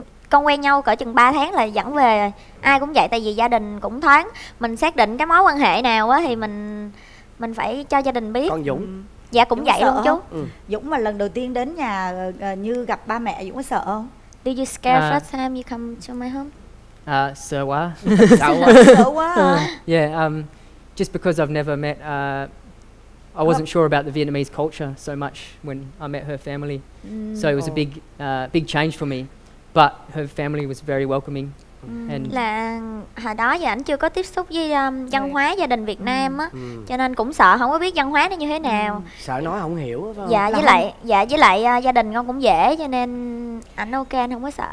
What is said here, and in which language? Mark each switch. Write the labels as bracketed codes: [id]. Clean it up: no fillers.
[vi] Con quen nhau cỡ chừng 3 tháng là dẫn về rồi. Ai cũng vậy, tại vì gia đình cũng thoáng. Mình xác định cái mối quan hệ nào á thì mình phải cho gia đình biết. Còn Dũng? Dạ cũng Dũng vậy luôn chú. Dũng mà lần đầu tiên đến nhà Như gặp ba mẹ, Dũng có sợ không? [en] Do you scare first time you come to my home? [vi] Sợ quá. Sợ quá. [en] Just because I've never met I wasn't sure about the Vietnamese culture so much when I met her family. So it was a big change for me. But her family was very welcoming. [vi] Là hồi đó giờ ảnh chưa có tiếp xúc với văn hóa gia đình Việt Nam á. Cho nên cũng sợ không có biết văn hóa nó như thế nào. Sợ nói không hiểu phải không? Dạ với lại gia đình con cũng dễ cho nên ảnh ok, anh không có sợ.